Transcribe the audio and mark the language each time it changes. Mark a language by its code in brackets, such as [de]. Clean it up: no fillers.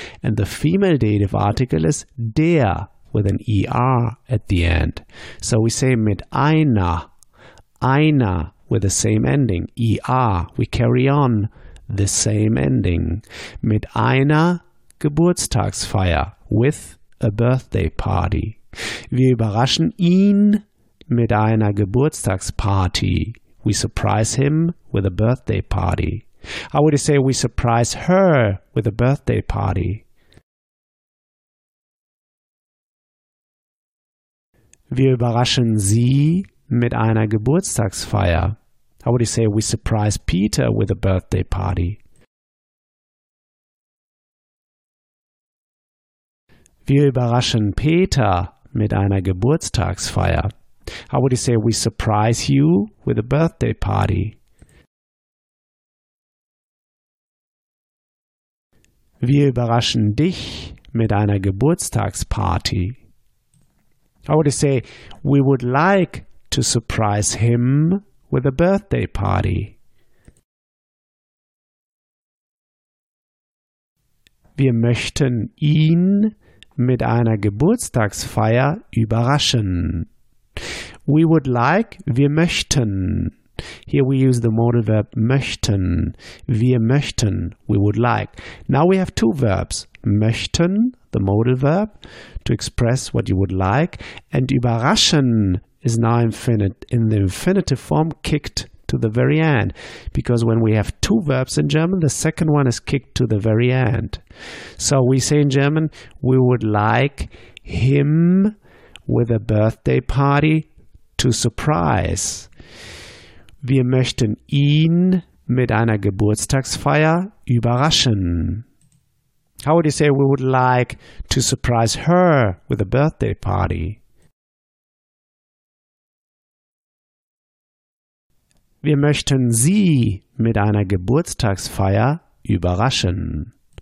[en] And the female dative article is der with an er at the end. So we say mit einer, einer with the same ending, er. We carry on the same ending. [de] Mit einer Geburtstagsfeier, [en] with a birthday party. [de] Wir überraschen ihn mit einer Geburtstagsparty. [en] We surprise him with a birthday party. How would you say we surprise her with a birthday party? [de] Wir überraschen sie mit einer Geburtstagsfeier. [en] How would you say we surprise Peter with a birthday party? [de] Wir überraschen Peter mit einer Geburtstagsfeier. [en] How would you say we surprise you with a birthday party? [de] Wir überraschen dich mit einer Geburtstagsparty. [en] How would you say we would like to surprise him with a birthday party? [de] Wir möchten ihn mit einer Geburtstagsfeier überraschen. [en] We would like, [de] wir möchten. [en] Here we use the modal verb möchten. [de] Wir möchten, [en] we would like. Now we have two verbs. Möchten, the modal verb, to express what you would like. And überraschen is now infinite, in the infinitive form, kicked to the very end. Because when we have two verbs in German, the second one is kicked to the very end. So we say in German, we would like him with a birthday party to surprise. [de] Wir möchten ihn mit einer Geburtstagsfeier überraschen. [en] How would you say we would like to surprise her with a birthday party? [de] Wir möchten sie mit einer Geburtstagsfeier überraschen.